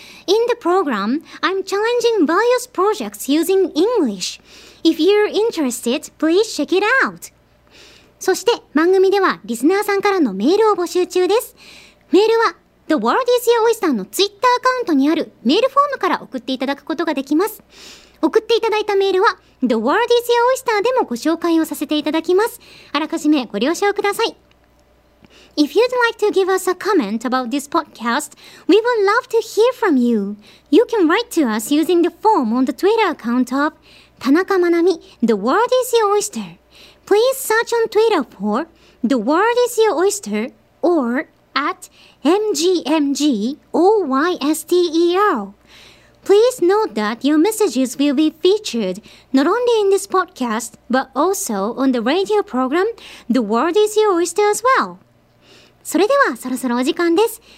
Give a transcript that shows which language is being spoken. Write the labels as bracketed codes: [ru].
[en] In the program, I'm challenging various projects using EnglishIf you're interested, please check it out. [ja] そして番組ではリスナーさんからのメールを募集中です。メールは The World is Your Oyster の Twitter アカウントにあるメールフォームから送っていただくことができます。送っていただいたメールは The World is Your Oyster でもご紹介をさせていただきます。あらかじめご了承ください。 [en] If you'd like to give us a comment about this podcast, we would love to hear from you. You can write to us using the form on the Twitter account of田中真奈美 The World is Your Oyster. Please search on Twitter for The World is Your Oyster or at MGMGOYSTER. Please note that your messages will be featured not only in this podcast, but also on the radio program The World is Your Oyster as well. [ja] それではそろそろお時間です。